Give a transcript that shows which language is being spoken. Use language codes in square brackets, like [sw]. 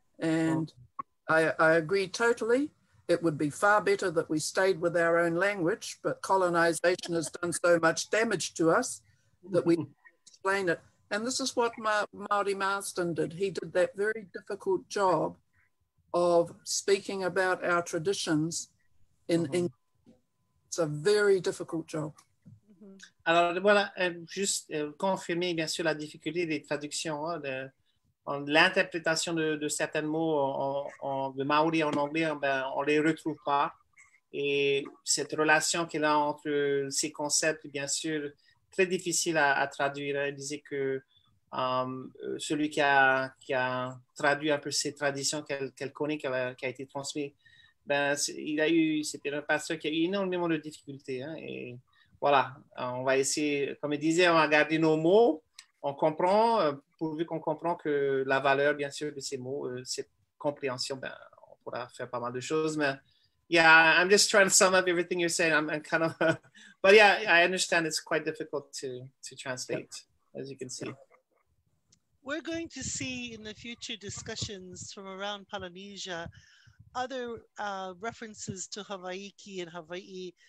[en] And I agree totally. It would be far better that we stayed with our own language, but colonization has done so much damage to us that we explain it. And this is what Māori Marsden did. He did that very difficult job of speaking about our traditions in English. It's a very difficult job. [fr] Alors voilà, juste confirmer bien sûr la difficulté des traductions, hein, l'interprétation de certains mots de Maori en anglais, ben, on ne les retrouve pas. Et cette relation qu'il a entre ces concepts, bien sûr, très difficile à traduire. Il disait que celui qui a traduit un peu ces traditions qu'elle connaît, qu'elle a été transmise, ben, c'était un pasteur qui a eu énormément de difficultés. Hein, et voilà, on va essayer, comme il disait, on va garder nos mots, on comprend, pourvu qu'on comprend que la valeur, bien sûr, de ces mots, cette compréhension, ben, on pourra faire pas mal de choses. [en] Mais, yeah, I'm just trying to sum up everything you're saying. I'm kind of, but yeah, I understand it's quite difficult to translate, yeah, as you can see. We're going to see in the future discussions from around Polynesia, other references to Hawaiki and Hawaii.